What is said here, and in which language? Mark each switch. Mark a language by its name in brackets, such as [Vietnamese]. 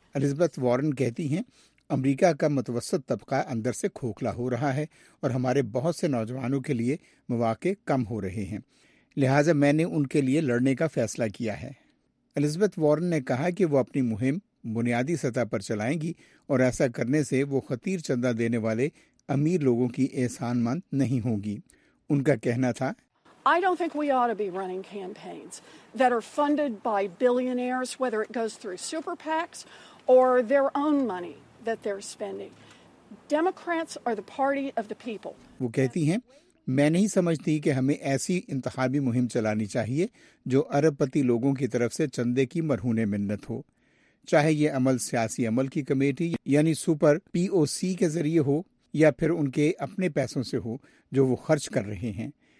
[Urdu] Elizabeth Warren کہتی ہیں، امریکہ کا متوسط طبقہ اندر سے کھوکھلا ہو رہا ہے اور ہمارے بہت سے نوجوانوں کے لیے مواقع کم ہو رہے ہیں، لہٰذا میں نے ان کے لیے لڑنے کا فیصلہ کیا ہے۔ ایلزبتھ وارن نے کہا کہ وہ اپنی مہم بنیادی سطح پر چلائیں گی اور ایسا کرنے سے وہ خطیر چندہ دینے والے امیر لوگوں کی احسان مند نہیں ہوگی۔ ان کا کہنا تھا، [English] I don't think we ought to be running campaigns that are funded by billionaires, whether it goes through super PACs or their own money that they're spending. Democrats are the party of the people. [Urdu] وہ کہتی ہیں، میں نہیں سمجھتی کہ ہمیں ایسی انتخابی مہم چلانی چاہیے جو ارب پتی لوگوں کی طرف سے چندے کی مرہونے منت ہو، چاہے یہ عمل سیاسی عمل کی کمیٹی یعنی سپر پی او سی کے ذریعے ہو یا پھر ان کے اپنے پیسوں سے ہو جو وہ خرچ کر رہے ہیں۔